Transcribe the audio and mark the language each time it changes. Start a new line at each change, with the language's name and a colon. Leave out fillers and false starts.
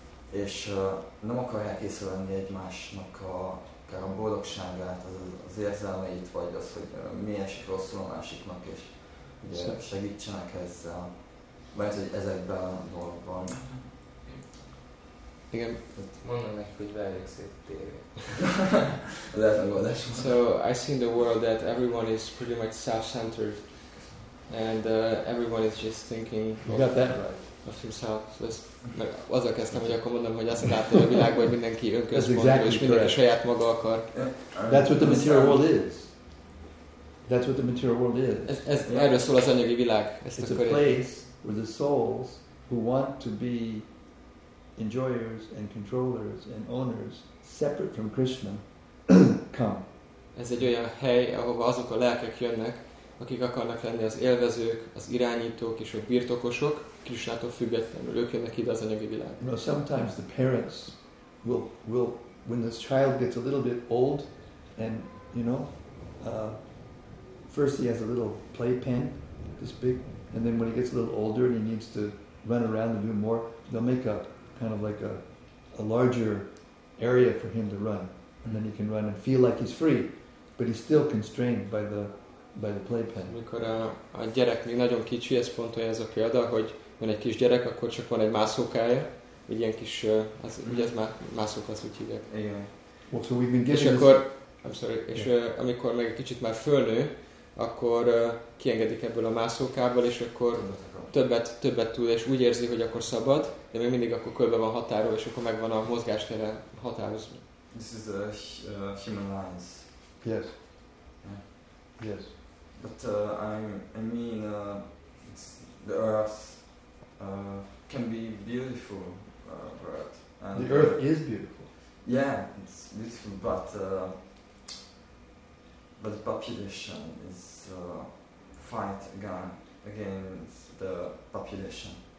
Hungarian: És nem akarják észrevenni egymásnak akár a boldogságát, az érzelmeit, vagy az, hogy milyen esik rosszul a másiknak, és ugye segítsenek ezzel, mert hogy ezekben a dolgokban. Igen. Mondom neki, hogy várják szét tévé. Lehet megoldás.
English: So, I see in the world that everyone is pretty much self-centered, and everyone is just thinking of himself.
Hungarian: Azzal kezdtem, hogy akkor mondom, hogy azt látom a világban, hogy mindenki önközpontú,
English: exactly,
Hungarian: és mindenki saját maga akar.
English: That's what the material world is. That's what the material world is.
Hungarian: Ez erről szól az anyagi világ. Ezt
English: it's a place where the souls who want to be enjoyers and controllers and owners separate from Krishna come.
Hungarian: Ez egy olyan hely, ahova azok a lelkek jönnek, akik akarnak lenni az élvezők, az irányítók és a birtokosok, Krisnától függetlenül. Ők jönnek ide az anyagi világ.
English: You know, sometimes the parents will when this child gets a little bit old and, you know, first he has a little playpen, this big, and then when he gets a little older and he needs to run around and do more, they'll make up kind of like a larger area for him to run, and then he can run and feel like he's free, but he's still constrained by the playpen.
Hungarian: Amikor a gyerek még nagyon kicsi, ez pont olyan ez a példa, hogy van egy kis gyerek, akkor csak van egy mászókája, egy ilyen kis, ugye ez már mászók az, úgy hívják. Igen.
English: Well, so we've been
Hungarian: és akkor,
English: I'm sorry,
Hungarian: és yeah. Amikor meg egy kicsit már fölnő, akkor kiengedik ebből a mászókából, és akkor többet tud, és úgy érzi, hogy akkor szabad, de még mindig akkor körbe van határól, és akkor megvan a mozgástere határozva.
English: This is a human lines. Yes. Yeah. Yes. But I mean, the earth can be beautiful, world. And the earth is beautiful. Yeah, it's beautiful, but the population is fight against the population.